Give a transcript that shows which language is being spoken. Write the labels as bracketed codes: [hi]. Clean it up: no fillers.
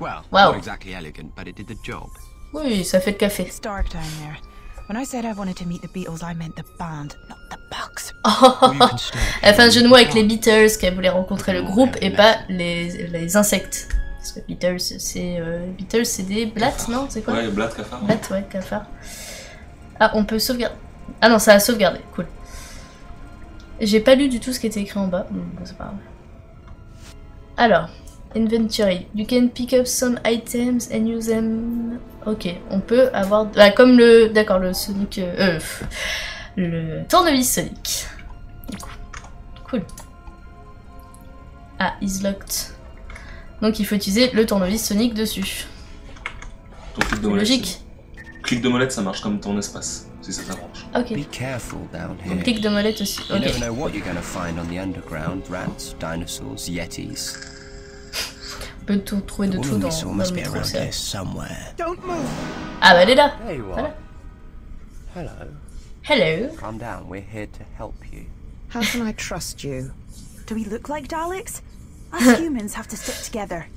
[en] Well, not exactly elegant, but it did the job. [fr] Oui, ça fait le café. [en] It's dark down there. When I said I wanted to meet the Beatles, I meant the band, not the box. [fr] Elle fait un jeu de mots avec les Beatles, qu'elle voulait rencontrer le groupe et pas les insectes. Parce que Beatles, c'est des blattes, non? C'est quoi? Ouais, les blattes cafards. Blattes, ouais, cafards. Ah, on peut sauvegarder. Ah non, ça a sauvegardé. Cool. J'ai pas lu du tout ce qui était écrit en bas. Bon, c'est pas grave. Alors, inventory. [en] You can pick up some items and use them. [fr] Ok, on peut avoir. Bah, comme le. D'accord, le Sonic. Le tournevis Sonic. Cool. Ah, [en] he's locked. [fr] Donc il faut utiliser le tournevis Sonic dessus. Ton clic de molette. Logique. Clic de molette, ça marche comme ton espace, si ça t'arrange. Ok. [en] Be careful down here. [fr] Ton clic de molette aussi. Ok. [en] You never know what you're gonna find on the underground. Rats, dinosaurs, yetis. [fr] On peut tout trouver de tout dans le trou, c'est vrai. [en] Don't move. [fr] Ah bah elle est là. Voilà. Hello. [en] Hello. Calm down, we're here to help you. How can I trust you? Do we look like Daleks? Humans have to stick together.